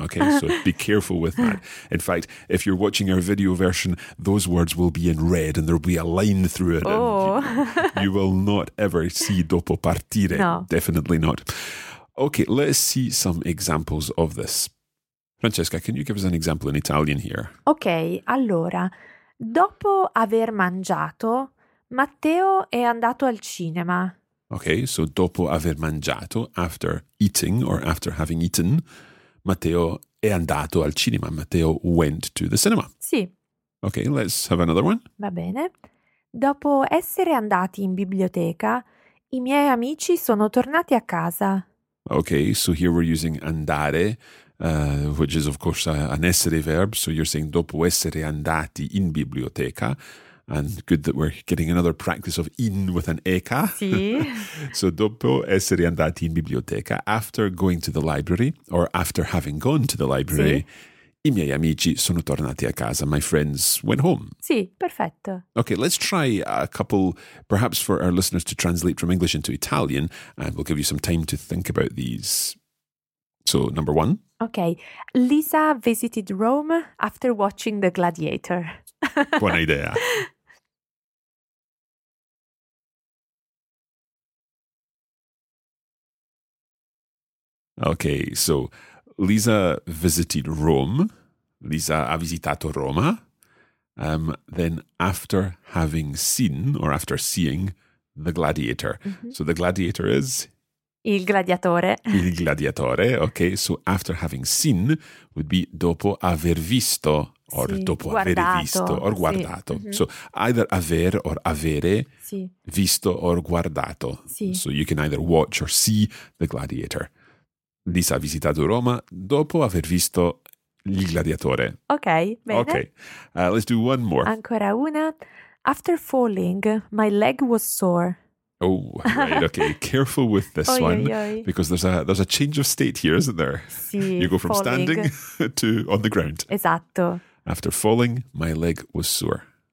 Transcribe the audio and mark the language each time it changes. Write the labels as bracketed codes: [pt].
[en] Okay, so be careful with that. In fact, if you're watching our video version, those words will be in red and there'll be a line through it. Oh. You will not ever see [it] dopo partire. [en] No. Definitely not. Okay, let's see some examples of this. Francesca, can you give us an example in Italian here? [it] Okay, allora... Dopo aver mangiato, Matteo è andato al cinema. [en] Okay, so [it] dopo aver mangiato, [en] after eating or after having eaten, [it] Matteo è andato al cinema. [en] Matteo went to the cinema. [it] Sì. [en] Okay, let's have another one. [it] Va bene. Dopo essere andati in biblioteca, i miei amici sono tornati a casa. [en] Okay, so here we're using andare. Which is, of course, an essere verb. So you're saying [it] dopo essere andati in biblioteca. [en] And good that we're getting another practice of in with an eca. [it] Sì. [en] So [it] dopo essere andati in biblioteca, [en] after going to the library or after having gone to the library, [it] sì. I miei amici sono tornati a casa. [en] My friends went home. [it] Sì, perfetto. [en] Okay, let's try a couple, perhaps for our listeners to translate from English into Italian, and we'll give you some time to think about these. So number one. Okay, Lisa visited Rome after watching The Gladiator. [it] Buona idea. [en] Okay, so Lisa visited Rome. [it] Lisa ha visitato Roma. [en] Then after having seen or after seeing The Gladiator. Mm-hmm. So The Gladiator is... [it] Il gladiatore. Il gladiatore, okay. [en] So after having seen would be [it] dopo aver visto [en] or [it] sì, dopo guardato. Aver visto or guardato. Sì. Mm-hmm. [en] So either aver or avere, [it] sì. visto or guardato. Sì. [en] So you can either watch or see The Gladiator. [it] Lisa ha visitato Roma dopo aver visto il gladiatore. Ok, bene. [en] Okay, let's do one more. [it] Ancora una. [en] After falling, my leg was sore. Oh, right, okay. Careful with this because there's a change of state here, isn't there? [it] Sì, [en] you go from falling, standing to on the ground. [it] Esatto. [en] After falling, my leg was sore.